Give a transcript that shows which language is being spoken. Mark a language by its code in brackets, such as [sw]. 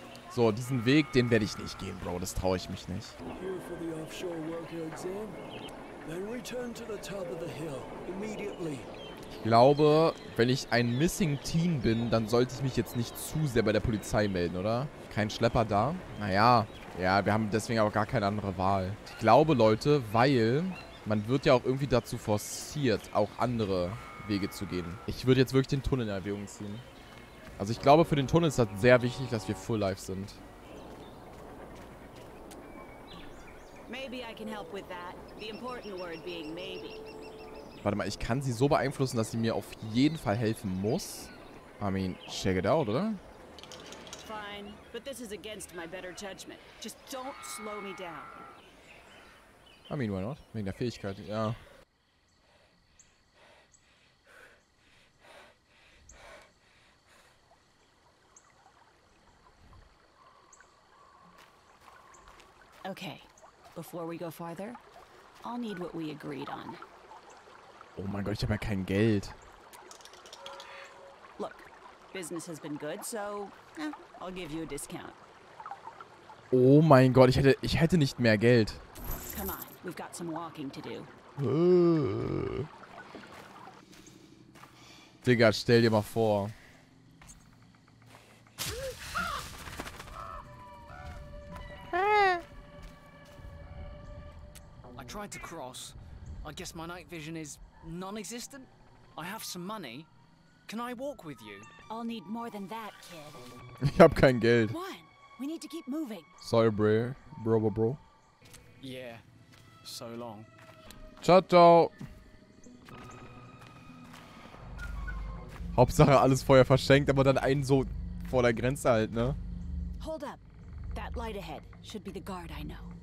[de] So, diesen Weg, den werde ich nicht gehen, Bro. Das traue ich mich nicht. [en] Here for the offshore worker exam. Then return to the top of the hill immediately. [de] Ich glaube, wenn ich ein Missing Teen bin, dann sollte ich mich jetzt nicht zu sehr bei der Polizei melden, oder? Kein Schlepper da? Naja, ja, wir haben deswegen aber gar keine andere Wahl. Ich glaube, Leute, weil man wird ja auch irgendwie dazu forciert, auch andere Wege zu gehen. Ich würde jetzt wirklich den Tunnel in Erwägung ziehen. Also ich glaube, für den Tunnel ist das sehr wichtig, dass wir full life sind. [en] Maybe I can help with that. The important word being maybe. [de] Warte mal, ich kann sie so beeinflussen, dass sie mir auf jeden Fall helfen muss. [en] I mean, check it out, oder? Fine, but this is against my better judgment. Just don't slow me down. I mean, why not? [de] Wegen der Fähigkeit, ja. [en] Okay. Before we go farther, I'll need what we agreed on. [de] Oh mein Gott, ich habe ja kein Geld. [en] Look, business has been good, so I'll give you a discount. [de] Oh mein Gott, ich hätte nicht mehr Geld. [en] Come on, we've got some walking to do. [de] Digga, stell dir mal vor. [en] Tried to cross. I guess my night vision is non-existent. I have some money. Can I walk with you? I'll need more than that, kid. [de] Ich hab kein Geld. [en] What? We need to keep moving. Sorry, bro. Yeah. So long. [de] Ciao, ciao. Hauptsache alles Feuer verschenkt, aber dann einen so vor der Grenze halt, ne? [en] Hold up. That light ahead should be the guard I know.